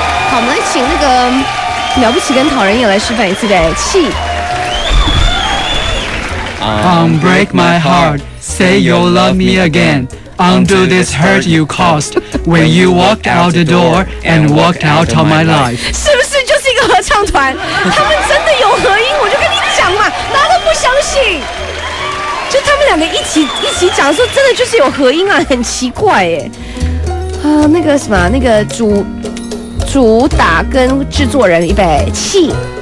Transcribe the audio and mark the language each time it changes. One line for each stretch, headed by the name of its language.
Chinese: 好，我们来请那个了不起跟讨人厌来示范一次的气。
English: Unbreak my heart, say you'll love me again. Undo this hurt you caused when you walked out the door and walked out of my life.
Chinese: 是不是就是一个合唱团？他们真的有合音，我就跟你讲嘛，哪都不相信。就他们两个一起讲的时候，真的就是有合音啊，很奇怪耶。那个什么，那个主打跟制作人预备起。